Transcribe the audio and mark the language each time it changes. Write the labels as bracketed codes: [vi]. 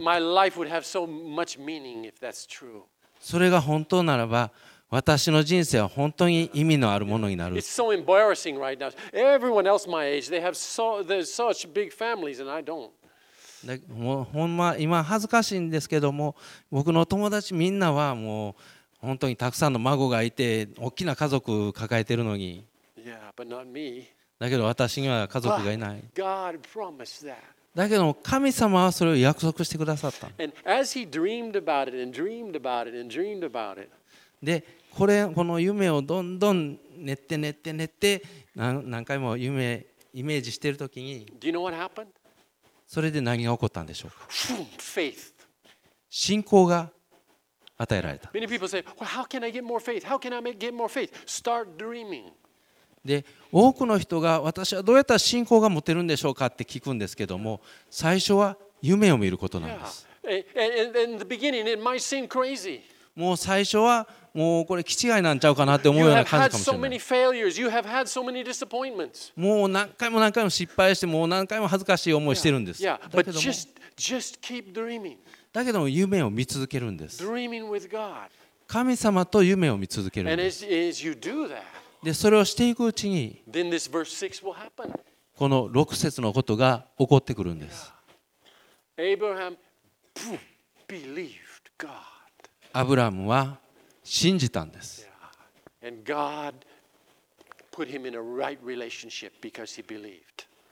[en] my life would have so much meaning if that's true。 [ja] それが本当ならば私の人生は本当に意味のあるものになる。 [en] It's so embarrassing right now. Everyone else my age, they have so, there's such big families and I don't. [ja] もうほんま今恥ずかしいんですけども、僕の友達みんなはもう本当にたくさんの孫がいて大きな家族抱えてるのに。 [en] Yeah, but not me. [ja] だけど私には家族がいない。 [en] But God promised that. [ja] だけど神様はそれを約束してくださった。でこれこの夢をどんどん練って練って練って何回も夢イメージしているときに、 [en] Do you know what happened? [ja] それで何が起こったんでしょうか。 [en] Faith. [ja] 信仰が与えられた。 [en] Many people say, well, how can I get more faith? How can I get more faith? Start dreaming. [ja] で多くの人が私はどうやったら信仰が持てるんでしょうかって聞くんですけども、最初は夢を見ることなんです。 [en] yeah. In the beginning, it might seem crazy. [ja] もう最初はもうこれ気違いなんちゃうかなって思うような感じかもしれない。 [en] You have had so many failures. You have had so many disappointments. [ja] もう何回も何回も失敗してもう何回も恥ずかしい思いしてるんです。 [en] yeah. Yeah. But just keep dreaming. [ja] だけども夢を見続けるんです。 [en] Dreaming with God. [ja] 神様と夢を見続けるんです。 [en] And as you do that, [ja] でそれをしていくうちに、 [en] Then this verse 6 will happen. [ja] この6節のことが起こってくるんです。 [en] Abraham believed God. [ja] アブラムは信じたんです。 [en] Yeah. And God put him in a right relationship because he believed.